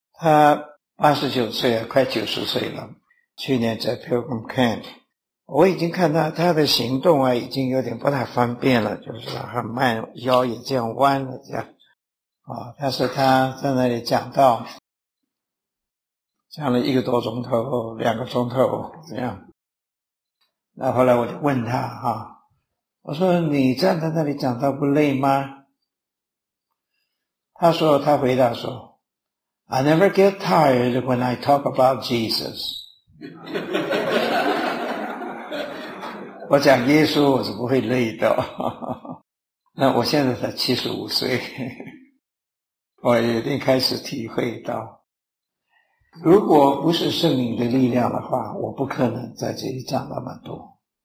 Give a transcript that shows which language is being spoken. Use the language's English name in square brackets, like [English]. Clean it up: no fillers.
[Chinese] 他89岁了，快90岁了，去年在 Pilgrim Camp， 我已经看到他的行动啊，已经有点不太方便了，就是很慢，腰也这样弯了这样。但是他在那里讲了一个多钟头，两个钟头这样。那后来我就问他啊，我说你站在那里讲到不累吗？他说，他回答说， [English] I never get tired when I talk about Jesus. [Chinese] 我讲耶稣我是不会累的。那我现在才75岁。我一定开始体会到，如果不是圣灵的力量的话，我不可能在这里讲那么多。